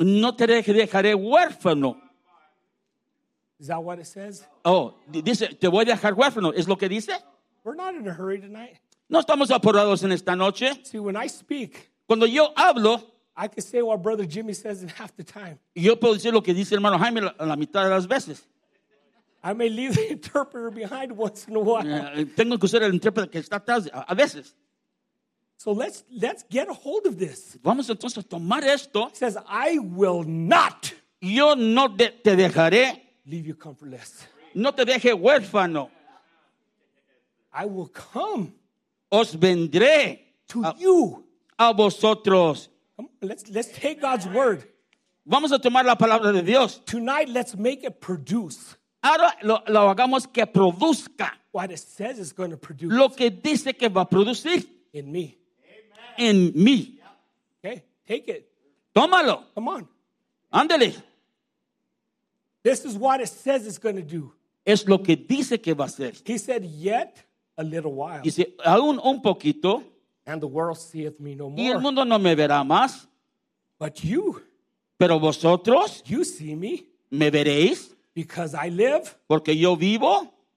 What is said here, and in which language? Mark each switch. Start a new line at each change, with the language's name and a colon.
Spanish: No te dejaré huérfano.
English: Is that what it says?
Spanish: Oh, dice, te voy a dejar huérfano. ¿Es lo que dice?
English: We're not in a hurry tonight.
Spanish: No estamos apurados en esta noche.
English: See, when I speak,
Spanish: cuando yo hablo,
English: I can say what Brother Jimmy says in half the time.
Spanish: Yo puedo decir lo que dice hermano Jaime la mitad de las veces.
English: I may leave the interpreter behind once in a while.
Spanish: Tengo que usar el intérprete que está atrás a veces.
English: So let's get a hold of this.
Spanish: Vamos entonces a tomar esto.
English: It says, I will not.
Spanish: Yo no te dejaré.
English: Leave you comfortless.
Spanish: No te deje huérfano.
English: I will come.
Spanish: Os vendré.
English: To you.
Spanish: A vosotros.
English: Let's take God's word.
Spanish: Vamos a tomar la palabra de Dios.
English: Tonight, let's make it produce.
Spanish: Ahora lo hagamos que produzca.
English: What it says is going to produce.
Spanish: Lo que dice que va a producir.
English: In me.
Spanish: En mí.
English: Okay, take it.
Spanish: Tómalo.
English: Come on.
Spanish: Ándale.
English: This is what it says it's going to do.
Spanish: Es lo que dice que va a ser.
English: He said, yet a little while.
Spanish: Dice, aún un poquito.
English: And the world seeth me no more.
Spanish: Y el mundo no me verá más.
English: But you.
Spanish: Pero vosotros.
English: You see me.
Spanish: Me veréis.
English: Because I live.
Spanish: Porque yo vivo.